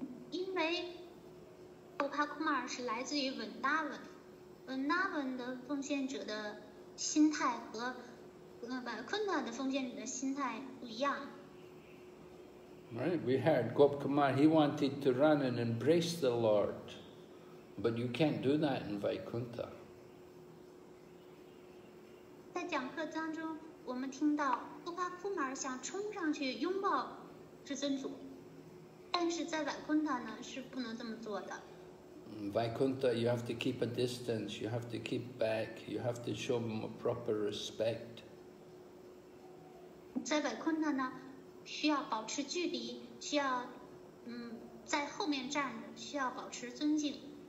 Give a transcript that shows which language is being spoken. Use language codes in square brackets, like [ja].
[zh] 因为 Gopal Kumar 是来自于 Vrindavan， Vrindavan 的奉献者的心态和 Vaikuntha 的奉献者的心态不一样。 [en] Right, we heard Gopal Kumar, he wanted to run and embrace the Lord, but you can't do that in Vaikuntha. [zh] 在讲课当中，我们听到托帕库马尔想冲上去拥抱至尊主，但是在瓦昆塔呢是不能这么做的。 [en] 瓦昆塔 ，you have to keep a distance, you have to keep back, you have to show them a proper respect. [zh] 在瓦昆塔呢，需要保持距离，需要在后面站着，需要保持尊敬。